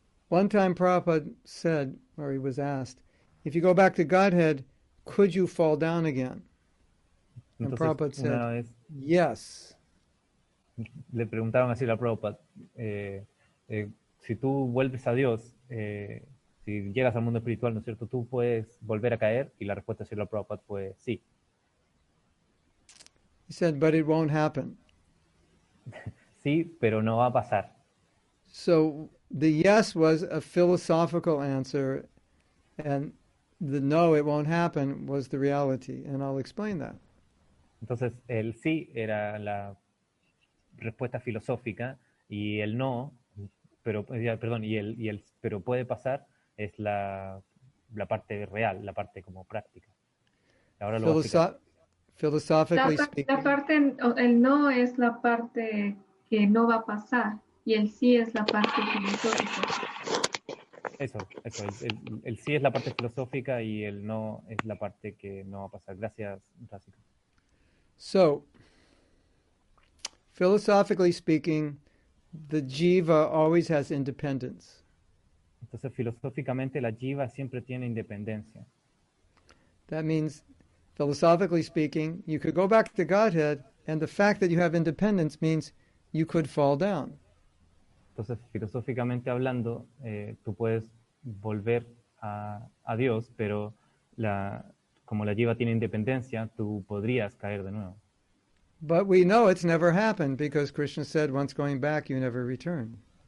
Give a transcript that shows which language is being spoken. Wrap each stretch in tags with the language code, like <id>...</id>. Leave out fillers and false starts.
<en>One time Prabhupada said, or he was asked, if you go back to Godhead, could you fall down again? And entonces, Prabhupada said,</en> <es>una vez,</es> <en>yes.</en> <es>Le preguntaron así a Prabhupada, si tú vuelves a Dios, si llegas al mundo espiritual, ¿no es cierto? ¿Tú puedes volver a caer? Y la respuesta de la Prabhupada fue sí.</es> <en>He said, but it won't happen.</en> <es>Sí, pero no va a pasar.</es> <en>So the yes was a philosophical answer, and the no, it won't happen, was the reality, and I'll explain that.</en> <es>Entonces, el sí era la respuesta filosófica, y el no, pero perdón, y el pero puede pasar, es la parte real, la parte como práctica. Ahora lo</es> <en>philosophically speaking,</en> <es>la parte, el no es la parte que no va a pasar, y el sí es la parte filosófica. Eso el sí es la parte filosófica y el no es la parte que no va a pasar. Gracias, Rásica.</es> <en>So philosophically speaking, the jiva always has independence.</en> <es>Entonces, filosóficamente, la jiva siempre tiene independencia.</es> <en>That means, philosophically speaking, you could go back to Godhead, and the fact that you have independence means you could fall down.</en> <es>Entonces, filosóficamente hablando, tú puedes volver a Dios, pero como la jiva tiene independencia, tú podrías caer de nuevo.</es> <en>But we know it's never happened because Krishna said, once going back, you never return.</en>